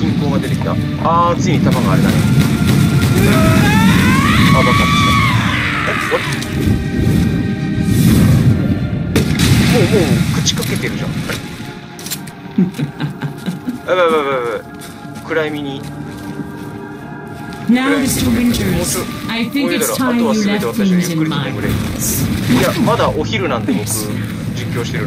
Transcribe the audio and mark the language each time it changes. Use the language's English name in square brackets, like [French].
[Japanese] が出てきた。あー、ついに弾があれだね。あ、爆発した。もう朽ちかけてるじゃん。やばいやばいやばい。暗闇に。 [English] Now, Mr. Winters, I think it's time you left things in mind. [Japanese] いや、まだお昼なんで僕実況してる。